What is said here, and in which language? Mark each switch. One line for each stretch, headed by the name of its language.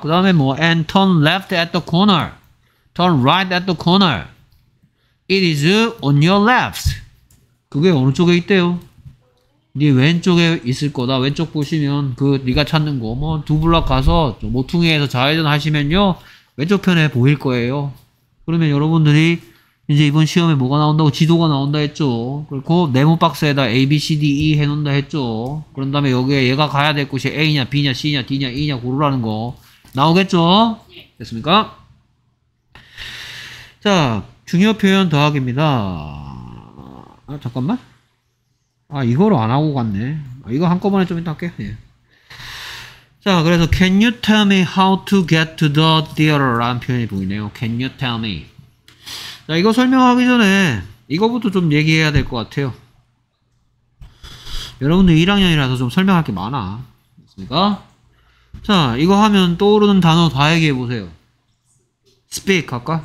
Korean: 그 다음에 뭐
English: and turn left at the corner, turn right at the corner, it is on your left.
Korean: 그게 어느 쪽에 있대요? 네 왼쪽에 있을 거다. 왼쪽 보시면 그 네가 찾는 거 뭐 두 블록 가서 모퉁이에서 좌회전 하시면요 왼쪽 편에 보일 거예요. 그러면 여러분들이 이제 이번 시험에 뭐가 나온다고 지도가 나온다 했죠. 그리고 네모 박스에다 A, B, C, D, E 해놓는다 했죠. 그런 다음에 여기에 얘가 가야 될 곳이 A냐, B냐, C냐, D냐, E냐 고르라는 거 나오겠죠? 됐습니까? 자, 중요 표현 더하기입니다. 아, 잠깐만. 아, 이거를 안 하고 갔네. 아, 이거 한꺼번에 좀 이따 할게. 예. 자, 그래서
English: Can you tell me how to get to the theater?
Korean: 라는 표현이 보이네요.
English: Can you tell me?
Korean: 자, 이거 설명하기 전에 이거부터 좀 얘기해야 될 것 같아요. 여러분들 1학년이라서 좀 설명할 게 많아. 됐습니까? 자, 이거 하면 떠오르는 단어 다 얘기해 보세요. Speak 할까?